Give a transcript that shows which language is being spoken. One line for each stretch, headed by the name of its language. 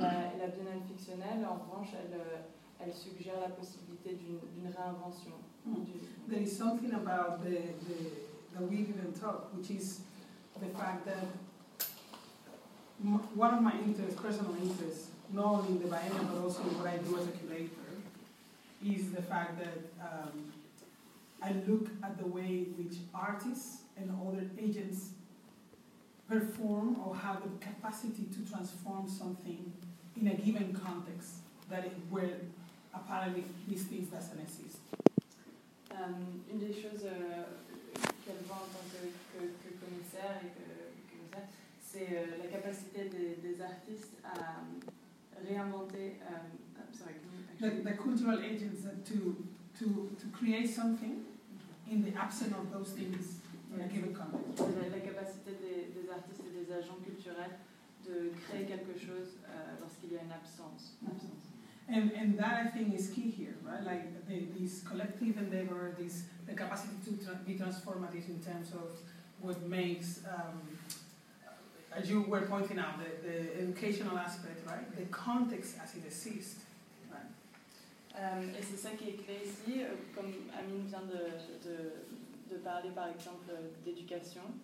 French: La Biennale fictionnelle, en revanche, elle suggère la possibilité d'une réinvention.
English: There is something about that we didn't talk, which is the fact that one of my interests, personal interests, not only in the Biennale but also what I do as a curator, is the fact that I look at the way which artists and other agents perform or have the capacity to transform something in a given context that is where apparently these things doesn't exist.
French: Une des choses qu'elle voit en tant que commissaire et que commissaire, c'est la capacité des artistes à réinventer.
English: The cultural agents to create something in the absence of those things.
French: La capacité des artistes et des agents culturels de créer quelque chose lorsqu'il y a une absence.
English: And that I think is key here, right? Like this collective endeavor, the capacity to be transformative in terms of what makes, as you were pointing out, the educational aspect, right? The context as it exists.
French: Et c'est ça qui est clé ici, comme Amine vient de parler par exemple d'éducation,